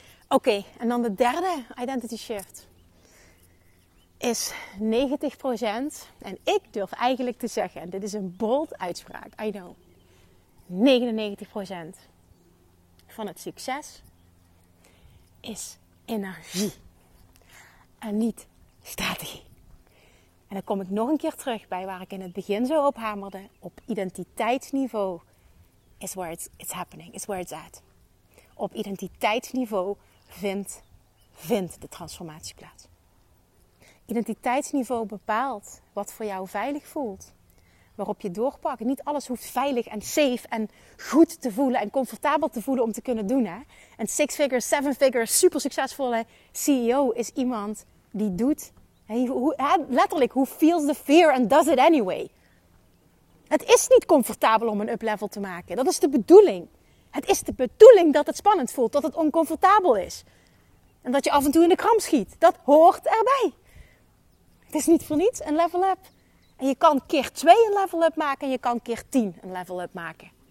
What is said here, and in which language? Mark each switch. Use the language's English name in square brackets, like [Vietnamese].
[Dutch] Oké, en dan de derde identity shift. Is 90%, en ik durf eigenlijk te zeggen, dit is een bold uitspraak, [English] I know. [Dutch] 99% van het succes is energie en niet strategie. En dan kom ik nog een keer terug bij waar ik in het begin zo op hamerde. Op identiteitsniveau [English] is where it's happening, is where it's at. [Dutch] Op identiteitsniveau vindt de transformatie plaats. Identiteitsniveau bepaalt wat voor jou veilig voelt. Waarop je doorpakt. Niet alles hoeft veilig en safe en goed te voelen en comfortabel te voelen om te kunnen doen. Hè? Een six-figure, seven-figure, super succesvolle CEO is iemand die doet. [English] Letterlijk, who feels the fear and does it anyway. [Dutch] Het is niet comfortabel om een up-level te maken. Dat is de bedoeling. Het is de bedoeling dat het spannend voelt, dat het oncomfortabel is. En dat je af en toe in de kramp schiet. Dat hoort erbij. Het is niet voor niets een level up. En je kan keer 2 een level up maken en je kan keer 10 een level up maken.